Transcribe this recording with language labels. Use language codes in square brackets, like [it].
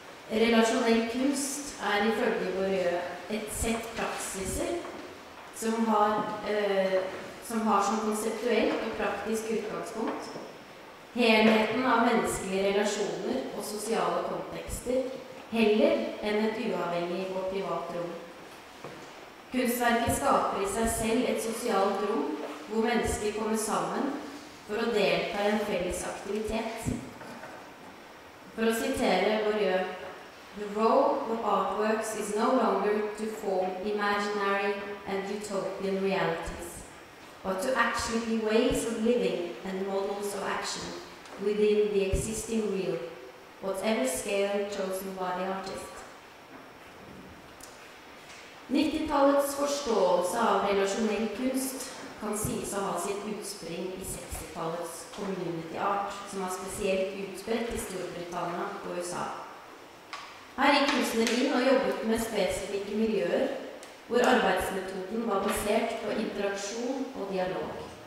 [no] Relasjonell kunst ifølge Boyeux et sett praksiser som har som konseptuelt og praktisk utgangspunkt helheten av menneskelige relasjoner og sosiale kontekster heller enn et uavhengig og privat rom. Kunstverket skaper i seg selv et sosialt rom hvor mennesker kommer sammen for å delta i en felles aktivitet. For å sitere [en] Boyeux: "The role of artworks is no longer to form imaginary and utopian realities, but to actually be ways of living and models of action within the existing real, whatever scale chosen by the artist." [no] 90-tallets forståelse av relasjonell kunst kan sies å ha sitt utspring i 60-tallets community art, som var spesielt utbredt i Storbritannia og USA. Her gikk kunstner inn og jobbet med spesifikke miljøer, hvor arbeidsmetoden var basert på interaksjon og dialog.